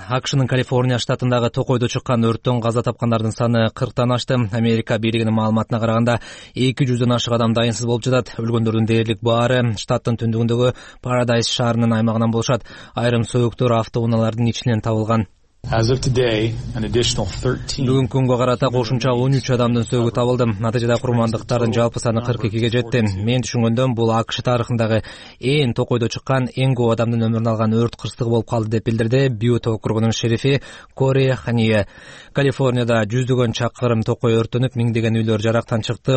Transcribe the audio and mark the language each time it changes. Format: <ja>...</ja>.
<ky>АКШнын Калифорния штатындагы токойдо чыккан өрттөн каза тапкандардын саны 40 ашты. Америка бийлигинин маалыматына караганда 200 ашык адам дайынсыз болуп жатат. Өлгөндөрдүн дээрлик баары штаттын түндүгүндөгү Парадайз шаарынын аймагынан болушат. Айрым сөөктөр автоунаалардын ичинен табылган.</ky> <en>As of today, an additional 13.</en> <ky>Бүгүн күнгө карата кошумча 13 адамдын сөөгү табылды. Натыйжада курмандыктардын жалпы саны 42 жетти. Мен түшүнгөндөн бул АКШ тарыхындагы эң токойдо чыккан эң көп адамдын өмүрүн алган өрт кырсыгы болуп калды деп билдирди Бьют округунун шерифи Кори Ханье. Калифорнияда жүздөгөн чакырым токой өртөнүп, миңдеген үйлөр жарактан чыкты.</ky>